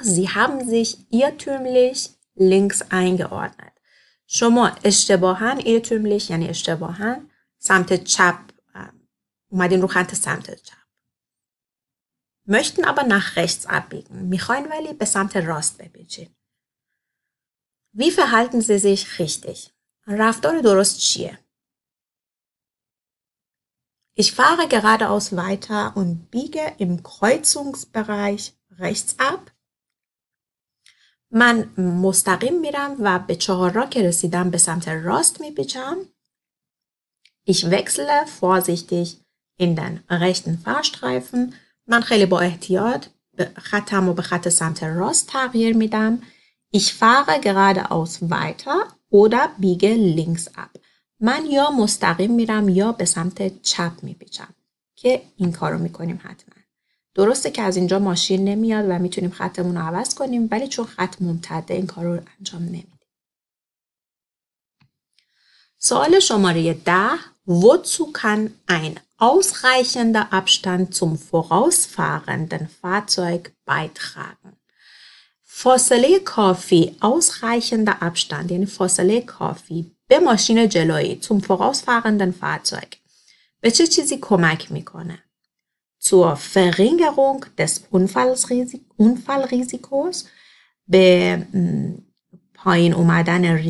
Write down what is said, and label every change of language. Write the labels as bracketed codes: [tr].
[de] Sie haben sich irrtümlich links eingeordnet. [fa] شما اشتباهاً ایرتوملیش یعنی اشتباهاً سمت چپ اومدین رو خط سمت چپ. [de] Möchten aber nach rechts abbiegen. [fa] میخواین ولی به سمت راست بپیچین. [de] Wie verhalten Sie sich richtig? [fa] رفتار درست چیه؟ [de] Ich fahre geradeaus weiter und biege im Kreuzungsbereich rechts ab. [fa] من مستقیم میرم و به چهارراه که رسیدم به سمت راست میپیچم. [de] Ich wechsle vorsichtig in den rechten Fahrstreifen. [fa] من خیلی با احتیاط خطم و به خط سمت راست تغییر میدم. [de] Ich fahre geradeaus weiter oder biege links ab. [fa] من یا مستقیم میرم یا به سمت چپ میپیچم که این کار رو میکنیم حتما. درسته که از اینجا ماشین نمیاد و میتونیم خطمون رو عوض کنیم ولی چون خط ممتده این کار رو انجام نمیدیم. سوال شماره 10. [de] Wozu kann ein ausreichender Abstand zum vorausfahrenden Fahrzeug beitragen? [fa] فاصله کافی، [de] ausreichender Abstand, [fa] یعنی فاصله کافی به ماشین جلویی، [de] zum vorausfahrenden Fahrzeug, [fa] به چه چیزی کمک میکنه؟ [de] Zur Verringerung des Unfallrisikos, [fa] به پایین اومدن